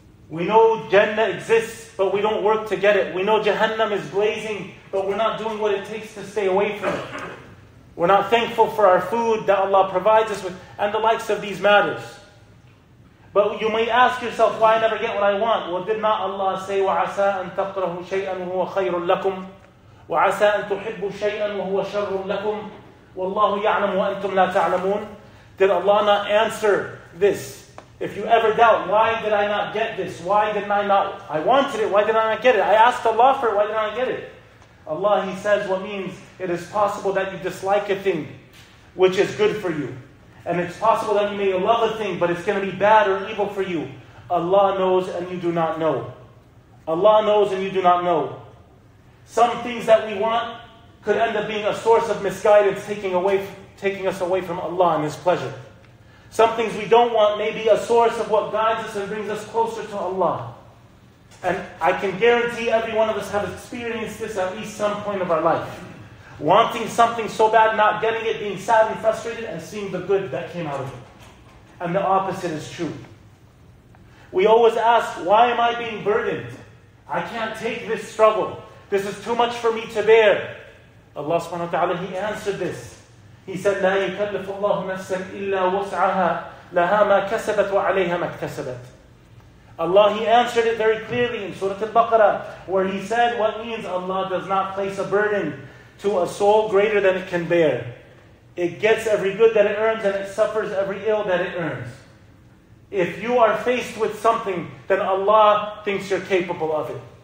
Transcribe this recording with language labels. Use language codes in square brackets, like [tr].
[en] We know Jannah exists, but we don't work to get it. We know Jahannam is blazing, but we're not doing what it takes to stay away from it. We're not thankful for our food that Allah provides us with, and the likes of these matters. But you may ask yourself, why I never get what I want? Well, did not Allah say, [ar] وَعَسَىٰ أَن تَقْرَهُ شَيْئًا وَهُوَ خَيْرٌ لَكُمْ وَعَسَىٰ أَن تُحِبُّ شَيْئًا وَهُوَ شَرٌ لَكُمْ وَاللَّهُ يَعْلَمُ وَأَنْتُمْ لَا تَعْلَمُونَ? [en] Did Allah not answer this? If you ever doubt, why did I not get this? Why didn't I not? I wanted it, why did I not get it? I asked Allah for it, why didn't I get it? Allah, He says, what means it is possible that you dislike a thing which is good for you. And it's possible that you may love a thing, but it's going to be bad or evil for you. Allah knows and you do not know. Allah knows and you do not know. Some things that we want could end up being a source of misguidance, taking us away from Allah and His pleasure. Some things we don't want may be a source of what guides us and brings us closer to Allah. And I can guarantee every one of us have experienced this at least some point of our life. Wanting something so bad, not getting it, being sad and frustrated, and seeing the good that came out of it. And the opposite is true. We always ask, why am I being burdened? I can't take this struggle. This is too much for me to bear. Allah subhanahu wa ta'ala, He answered this. He said, [ar] لَا يُكَلِّفُ اللَّهُ نَفْسًا إِلَّا وُسْعَهَا لَهَا مَا كَسَبَتْ وَعَلَيْهَا مَا اكْتَسَبَتْ. [en] Allah, He answered it very clearly in Surah Al-Baqarah, where He said, what means Allah does not place a burden to a soul greater than it can bear. It gets every good that it earns, and it suffers every ill that it earns. If you are faced with something, then Allah thinks you're capable of it.